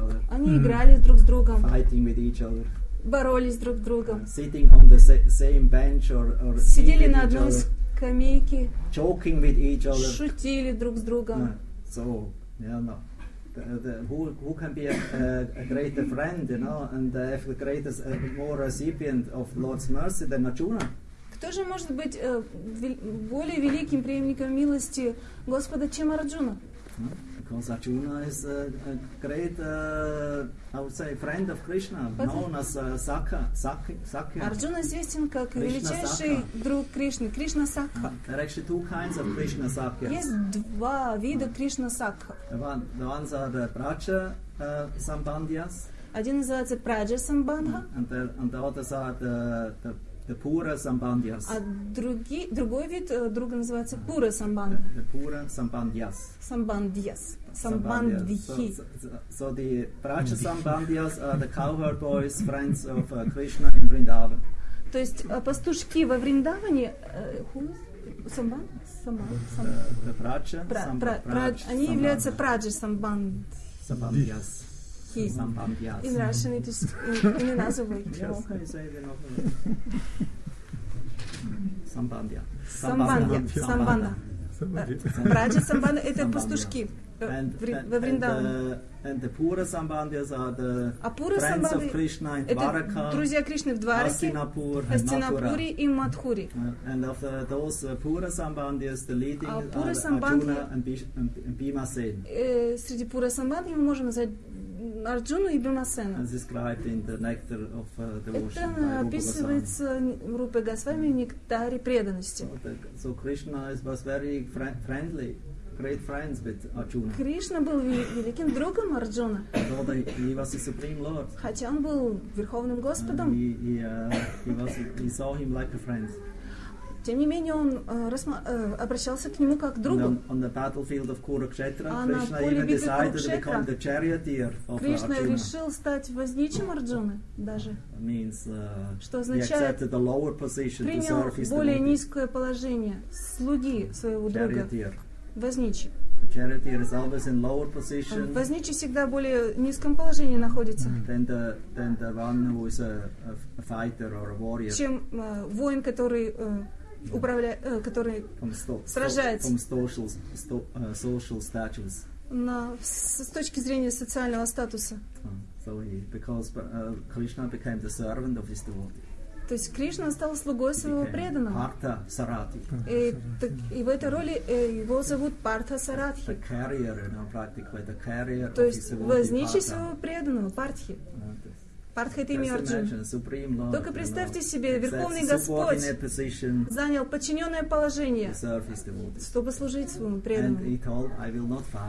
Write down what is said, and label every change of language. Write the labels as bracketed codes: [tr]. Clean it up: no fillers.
[ru] Они играли друг с другом. Боролись друг с другом. [en] Sitting on the same bench or [ru] сидели на одной скамейке. [en] Joking with each other. [ru] Шутили друг с другом. [en] So, yeah, no. Who can be a greater friend, you know, and the greatest more recipient of Lord's mercy than Arjuna? [ru] Кто же может быть более великим преемником милости Господа, чем Арджуна? [en] Because Arjuna is a great, I would say, friend of Krishna, known as Sakya. [ru] Arjuna известен как величайший друг Кришны, Кришна Сакха. [en] There are actually two kinds of Krishna Sakya. [ru] Есть два вида Кришна Сакха. [en] The ones are the Praja Sambandhyas. [ru] Один называется Praja Sambandha. [en] And the others are the Pura Sambandhyas. [ru] А другой вид друга называется Pura Sambandha. [en] The Pura Sambandhyas. Sambandhyas. So the Praja Sambandhyas are the cowherd boys, friends of Krishna in Vrindavan. [ru] То есть пастушки во Вриндаване, они являются Praja Sambandhyas. [en] In Russian it is in the name. Sambandhya. [ru] Sambandha. Praja Sambandha — это пастушки. [en] And the Pura Sambandhyas are the friends of Krishna in Dvaraka, [ru] друзья Кришны в Двараке, Хастинапуре и Матхуре. [en] And of those Pura Sambandhyas, the leading are Arjuna and Bhimasen. [ru] Среди Pura Sambandhyas мы можем назвать Арджуну и Бхимасена. [en] As described in the Nectar of Devotion. [ru] Это описывается в Рупе Госвами в Нектаре преданности. [en] So Krishna was very friendly. Great friends with Arjuna. [ru] Кришна был великим другом Арджуна. [en] He was the supreme lord. [ru] Хотя он был верховным господом. [en] He saw him like a friend. [ru] Тем не менее он обращался к нему как к другу. [en] On the battlefield of Kurukshetra, Krishna even decided to become the charioteer of Arjuna. [ru] Кришна решил стать возничим Арджуны даже. [en] Means, [ru] что означает, [en] he accepted the lower position to serve his [ru] более devotee. Низкое положение слуги своего [en] charioteer. [ru] Друга. Возничий. [en] The charioteer is always in lower position. [ru] Возничий всегда в более низком положении находится. [en] Than the one who is a fighter or a warrior. [ru] Чем воин, который управляет, который сражается. [en] From social status. [ru] С точки зрения социального статуса. [en] So because Krishna became the servant of his devotee. [ru] То есть Кришна стал слугой своего преданного. [en] Partha Sarathi. [ru] И в этой роли его зовут Partha Sarathi. [en] The carrier, you know, practically the carrier. [ru] То есть возничий своего преданного, Партхи. Партха — это имя Арджуны. Только представьте себе, верховный Господь занял подчиненное положение, чтобы служить своему преданному.